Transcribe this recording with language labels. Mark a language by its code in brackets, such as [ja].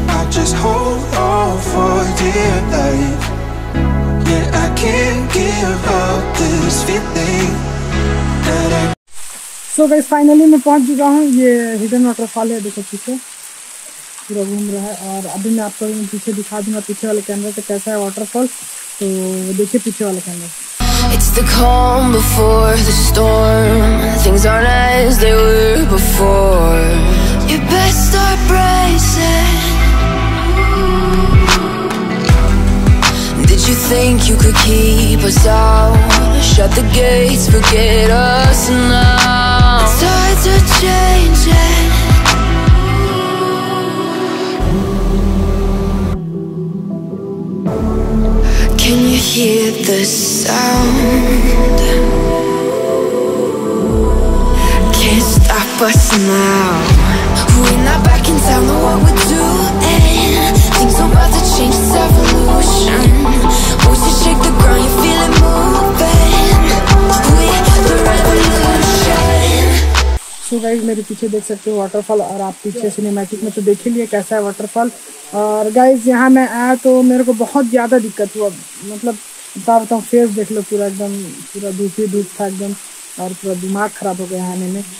[en] Just hold on for dear life. Yeah, I can't give up this feeling that I... So guys, finally [hi] मैं पहुंच चुका हूं, ये hidden waterfall है देखो पीछे पूरा घूम रहा है, और अभी मैं आपको पीछे दिखा दूंगा पीछे वाले कैमरे से कैसा है वाटरफॉल, तो देखिए पीछे वाले कैमरे। [en] It's the calm before the storm. Things aren't as they were before. You best start bracing. Did you think you could keep us out? Shut the gates, forget us now. The tides are changing. the sound. Can't stop us now. We're not backing down on what we're doing. Things are about to change, it's evolution. Voices you shake the ground, you feel it moving. We're the revolution. [hi] So guys, मेरे पीछे देख सकते हो waterfall और आप पीछे cinematic में तो देख ही लिए कैसा है वाटरफॉल. और गाइज यहाँ मैं आया तो मेरे को बहुत ज़्यादा दिक्कत हुआ, मतलब बता रहा हूँ फेस देख लो पूरा एकदम पूरा धूपी धूप था एकदम और पूरा दिमाग ख़राब हो गया आने में.